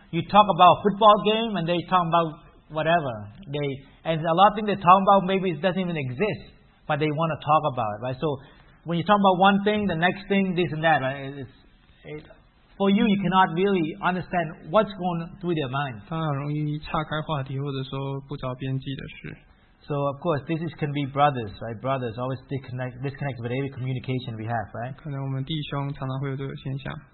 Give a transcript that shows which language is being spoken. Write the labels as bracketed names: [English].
[English] You talk about a football game and they talk about whatever. And a lot of things they talk about maybe it doesn't even exist. but they want to talk about it, right? So when you talk about one thing, the next thing, this and that, right? For you, you cannot really understand what's going through their mind. [Chinese] 他很容易岔开话题, 或者说不着边际的事。 [English] So of course, this is can be brothers, right? Brothers always disconnect with every communication we have, right? [Chinese] 可能我们弟兄常常会有这个现象。